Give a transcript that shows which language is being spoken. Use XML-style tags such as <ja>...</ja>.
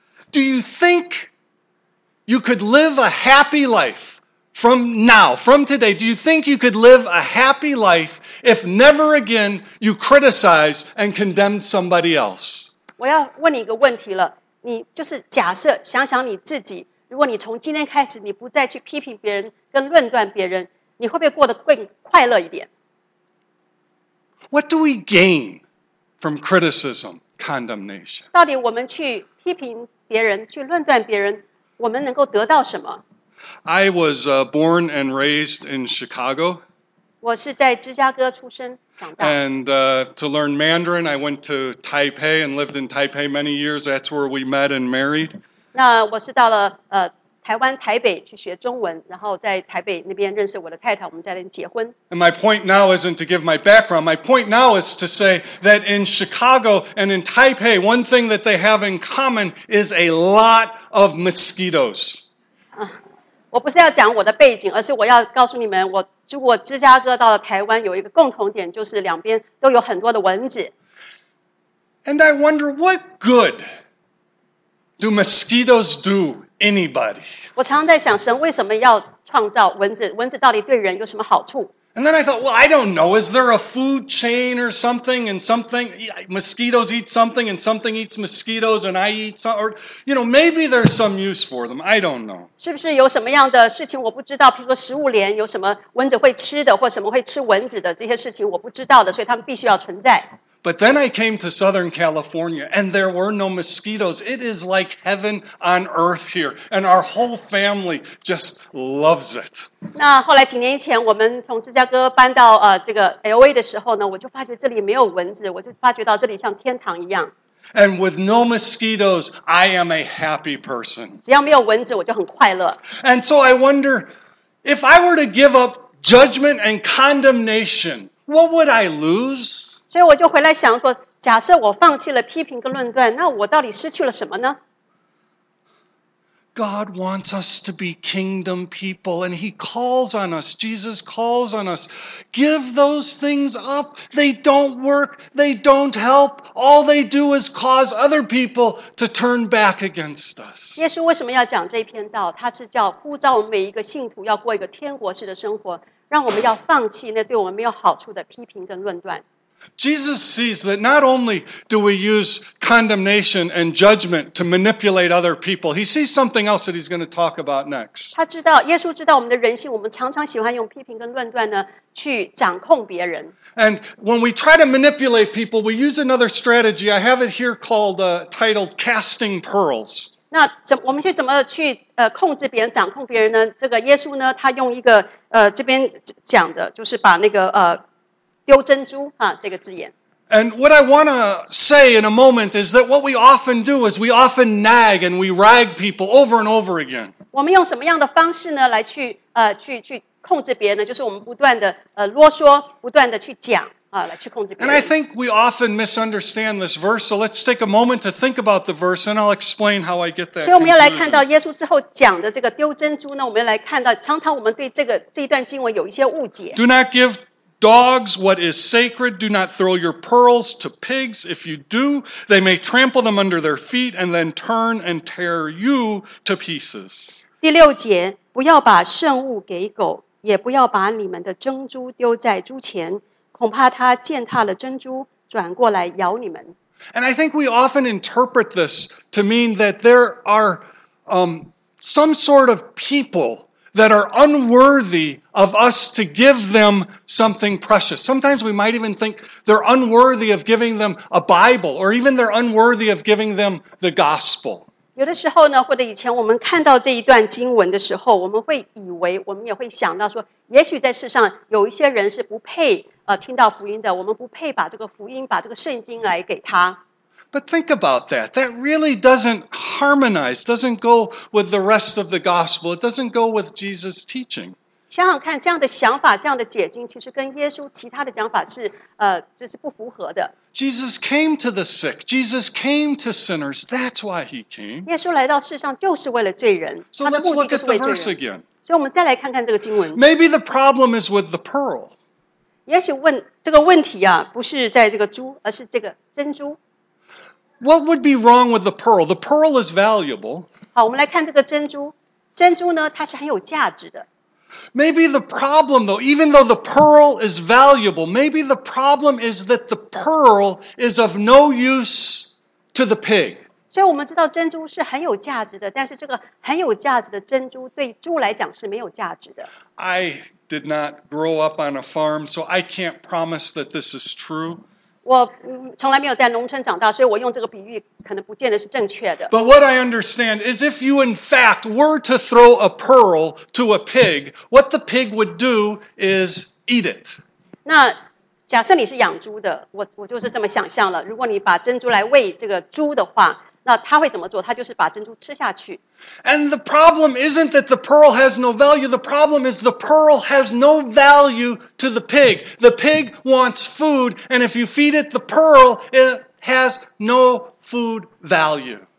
<en>Do you think you could live a happy life from now, from today? Do you think you could live a happy life if never again you criticize and condemn somebody else?</en> <zh>我要问你一个问题了。你就是假设想想你自己。如果你从今天开始，你不再去批评别人跟论断别人，你会不会过得更快乐一点</zh> <en>？What do we gain from criticism, condemnation?</en> <zh>到底我们去批评别人、去论断别人，我们能够得到什么</zh> <en>？I was born and raised in Chicago.</en> <zh>我是在芝加哥出生长大。</zh> <en>And to learn Mandarin, I went to Taipei and lived in Taipei many years. That's where we met and married.</en> <zh>那我是到了台湾台北去学中文，然后在台北那边认识我的太太，我们在那边结婚。</zh> <en>And my point now isn't to give my background. My point now is to say that in Chicago and in Taipei, one thing that they have in common is a lot of mosquitoes.</en> <zh>我不是要讲我的背景，而是我要告诉你们，我芝加哥到了台湾有一个共同点，就是两边都有很多的蚊子。</zh> <en>And I wonder what good. Do mosquitoes do anybody?</en> <zh>我常在想，神为什么要创造蚊子？蚊子到底对人有什么好处</zh> <en>？And then I thought, well, I don't know. Is there a food chain or something? And something mosquitoes eat something, and something eats mosquitoes, and I eat some. Or you know, maybe there's some use for them. I don't know.</en> <zh>是不是有什么样的事情我不知道？比如说食物链有什么蚊子会吃的，或什么会吃蚊子的这些事情我不知道的，所以他们必须要存在。</zh> <en>But then I came to Southern California, and there were no mosquitoes. It is like heaven on earth here, and our whole family just loves it.</en> <zh>那后来几年前，我们从芝加哥搬到这个 LA 的时候呢，我就发觉这里没有蚊子，我就发觉到这里像天堂一样。</zh> <en>And with no mosquitoes, I am a happy person.</en> <zh>只要没有蚊子，我就很快乐。</zh> <en>And so I wonder if I were to give up judgment and condemnation, what would I lose?</en> <zh>所以我就回来想说，假设我放弃了批评跟论断，那我到底失去了什么呢</zh> <en>？God wants us to be kingdom people, and He calls on us. Jesus calls on us. Give those things up. They don't work. They don't help. All they do is cause other people to turn back against us.</en> <zh>耶稣为什么要讲这篇道？他是叫呼召我们每一个信徒要过一个天国式的生活，让我们要放弃那对我们没有好处的批评跟论断。</zh> <en>Jesus sees that not only do we use condemnation and judgment to manipulate other people, he sees something else that he's going to talk about next.</en> <zh>他知道，耶稣知道我们的人性，我们常常喜欢用批评跟论断呢去掌控别人。</zh> <en>And when we try to manipulate people, we use another strategy. I have it here called titled casting pearls.</en> <zh>那我们去怎么去控制别人、掌控别人呢？这个耶稣呢，他用一个这边讲的就是把那个丢珍珠啊，这个字眼。</zh> <en>And what I want to say in a moment is that what we often do is we often nag and we rag people over and over again.</en> <zh>我们用什么样的方式呢？来去控制别人呢？就是我们不断的啰嗦，不断的去讲啊，来去控制别人。</zh> <en>And I think we often misunderstand this verse. So let's take a moment to think about the verse, and I'll explain how I get that.</en> <zh>所以我们要来看到耶稣之后讲的这个丢珍珠呢，我们要来看到常常我们对这一段经文有一些误解。</zh> <en>Do not give Dogs, what is sacred, do not throw your pearls to pigs. If you do, they may trample them under their feet and then turn and tear you to pieces.</en> <zh>第六节，不要把圣物给狗，也不要把你们的珍珠丢在猪前，恐怕他践踏了珍珠，转过来咬你们。</zh> <en>And I think we often interpret this to mean that there are some sort of people that are unworthy of us to give them something precious. Sometimes we might even think they're unworthy of giving them a Bible, or even they're unworthy of giving them the gospel.</en> <zh>有的时候呢，或者以前我们看到这一段经文的时候，我们会以为，我们也会想到说，也许在世上有一些人是不配听到福音的，我们不配把这个福音，把这个圣经来给他。</zh> <en>But think about that. That really doesn't harmonize, doesn't go with the rest of the gospel. It doesn't go with Jesus' teaching.</en> <zh>想想看，这样的想法，这样的解经，其实跟耶稣其他的讲法是，就是不符合的。</zh> <en>Jesus came to the sick. Jesus came to sinners. That's why he came.</en> <zh>耶稣来到世上就是为了罪人，他的目的就是为罪人。</zh> <en>So let's look at the verse again.</en> <zh>所以我们再来看看这个经文。</zh> <en>Maybe the problem is with the pearl.</en> <zh>也许问这个问题啊，不是在这个珠，而是这个珍珠。</zh> <en>What would be wrong with the pearl? The pearl is valuable.</en> <zh>好，我们来看这个珍珠。珍珠呢，它是很有价值的。</zh> <en>Maybe the problem, though, even though the pearl is valuable, maybe the problem is that the pearl is of no use to the pig.</en> <zh>所以我们知道珍珠是很有价值的，但是这个很有价值的珍珠对猪来讲是没有价值的。</zh> <en>I did not grow up on a farm, so I can't promise that this is true.</en> <zh>我从来没有在农村长大，所以我用这个比喻可能不见得是正确的。</zh> <en>But what I understand is if you in fact were to throw a pearl to a pig, what the pig would do is eat it.</en> <zh>那假设你是养猪的，我就是这么想象了。如果你把珍珠来喂这个猪的话，那他会怎么做？他就是把珍珠吃下去。</zh> <en>And the problem isn't that the pearl has no value. The problem is the pearl has no value to the pig. The pig wants food, and if you feed it the pearl, it has no food value.</en>